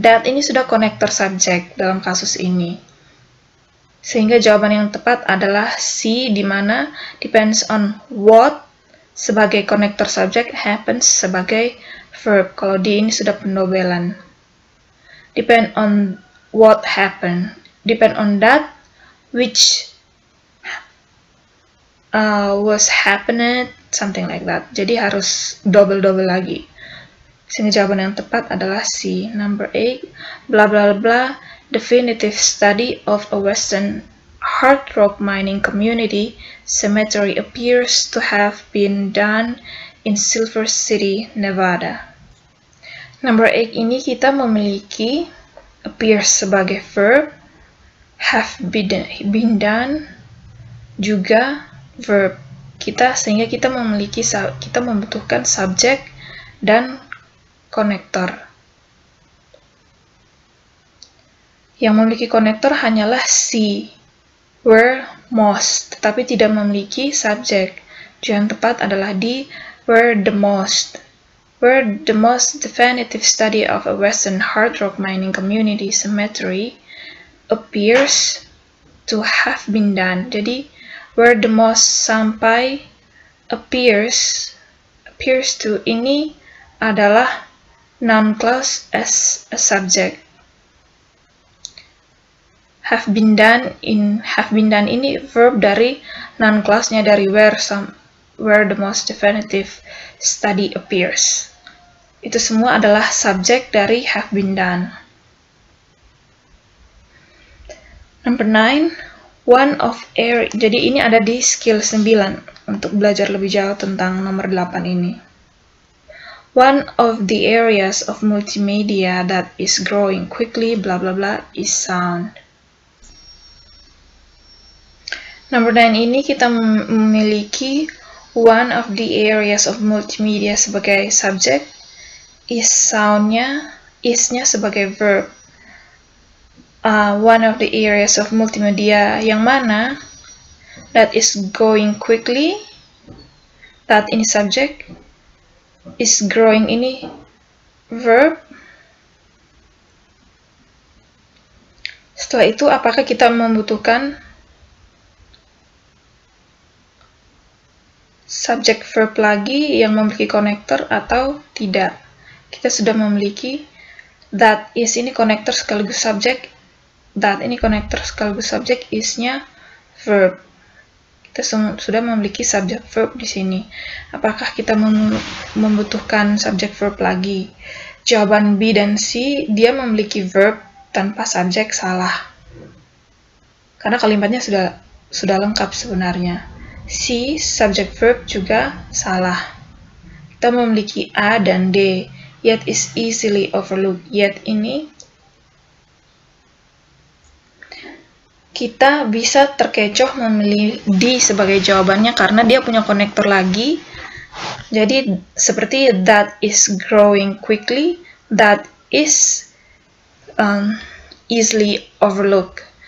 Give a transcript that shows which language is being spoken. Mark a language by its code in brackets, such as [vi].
[id] That ini sudah konektor subject dalam kasus ini. Sehingga jawaban yang tepat adalah C, di mana depends on what sebagai konektor subject, happens sebagai verb. Kalau di ini sudah pendobelan. [en] Depend on what happen. Depend on that which was happened, something like that. [id] Jadi harus double-double lagi. Sehingga jawaban yang tepat adalah C. [en] Number 8, bla bla bla, definitive study of a Western hard rock mining community cemetery appears to have been done in Silver City, Nevada. [id] Number 8 ini kita memiliki appears sebagai verb, have been done juga verb. Kita membutuhkan subject dan konektor. Yang memiliki konektor hanyalah si, where, most, tetapi tidak memiliki subject. Yang tepat adalah di where the most. [en] Where the most definitive study of a Western hard rock mining community cemetery appears to have been done. [id] Jadi, where the most sampai appears to ini adalah noun clause as a subject. [en] Have been done in have been done ini verb dari noun clause-nya dari where the most definitive study appears. [id] Itu semua adalah subject dari have been done. Number 9, one of area. Jadi ini ada di skill 9 untuk belajar lebih jauh tentang nomor 8 ini. [en] One of the areas of multimedia that is growing quickly blah blah blah is sound. [id] Nomor 9 ini kita memiliki one of the areas of multimedia sebagai subject, is sound-nya, is-nya sebagai verb. One of the areas of multimedia yang mana? [en] That is going quickly, that in subject, is growing ini verb. [id] Setelah itu, apakah kita membutuhkan subject verb lagi yang memiliki konektor atau tidak? Kita sudah memiliki that is ini konektor sekaligus subject, that ini konektor sekaligus subject, is-nya verb. Kita sudah memiliki subject verb di sini. Apakah kita membutuhkan subject verb lagi? Jawaban B dan C, dia memiliki verb tanpa subject, salah. Karena kalimatnya sudah lengkap sebenarnya. C, subject verb juga salah. Kita memiliki A dan D. Yet is easily overlooked. Yet ini kita bisa terkecoh memilih D sebagai jawabannya karena dia punya konektor lagi. [en] Jadi seperti that is growing quickly, that is easily overlooked.